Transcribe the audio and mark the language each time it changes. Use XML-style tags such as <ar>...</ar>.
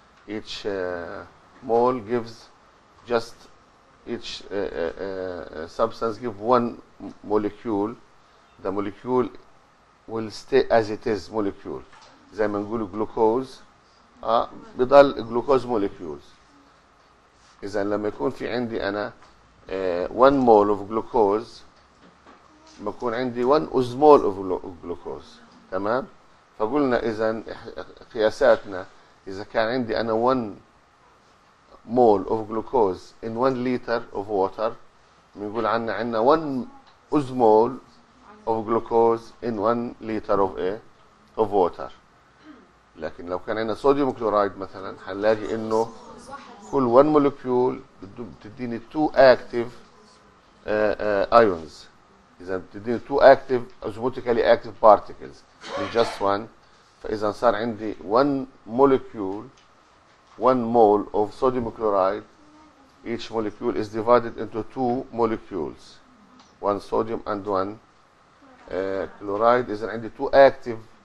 <en>Each mole gives just each substance give one molecule. The molecule will stay as it is molecule.</en> <ar>زي ما نقول glucose بضل glucose molecules. إذا لما يكون في عندي أنا</ar> <en>one mole of glucose،</en> <ar>بكون عندي</ar> <en>one osmole of glucose.</en> <ar>تمام؟ فقلنا إذا قياساتنا، إذا كان عندي أنا</ar> <en>one mole of glucose in 1 liter of water،</en> <ar>بنقول عنا عندنا</ar> <en>1 osmole of glucose in 1 liter of water.</en> <ar>لكن لو كان عندنا صوديوم كلورايد مثلا، هنلاقي انه كل 1 molecule بتديني</ar> <en>2 active ions.</en> <ar>اذا بتديني</ar> <en>2 active osmotically active particles in just 1.</en> <ar>فاذا صار عندي</ar> <en>1 molecule one mole of sodium chloride, each molecule is divided into two molecules, one sodium and one chloride.</en> <ar>إذا عندي</ar> <en>two active</en>